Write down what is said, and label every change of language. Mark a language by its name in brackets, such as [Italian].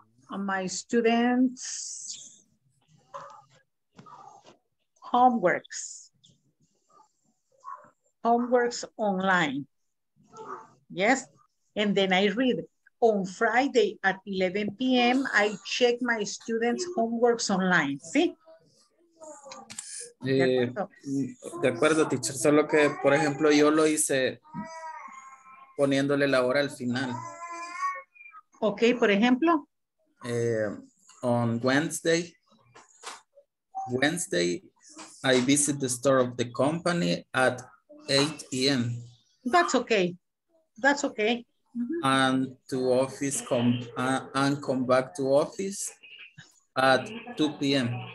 [English] My students' homeworks. Homeworks online. Yes? And then I read, on Friday at 11 p.m., I check my students' homeworks online. [Spanish] ¿Sí? De acuerdo, teacher. Solo que, por ejemplo, yo lo hice poniéndole la hora al final. Ok, por ejemplo... [English] On Wednesday, I visit the store of the company at 8 p.m. That's okay. Mm-hmm. And come back to office at 2 p.m.